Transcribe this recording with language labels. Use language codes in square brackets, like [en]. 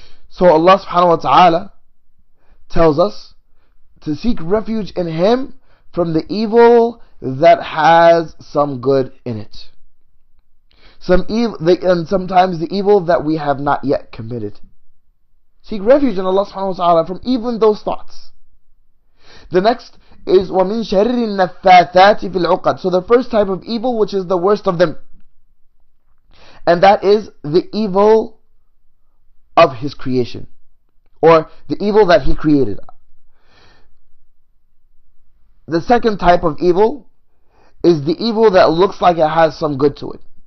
[en] So Allah subhanahu wa ta'ala tells us to seek refuge in Him from the evil that has some good in it. Sometimes the evil that we have not yet committed. Seek refuge in Allah subhanahu wa ta'ala from even those thoughts. The next is [ar] وَمِن شَرِّ النَّفَّاثَاتِ فِي الْعُقَدِ. [en] So the first type of evil, which is the worst of them. And that is the evil of His creation. Or the evil that He created. The second type of evil is the evil that looks like it has some good to it.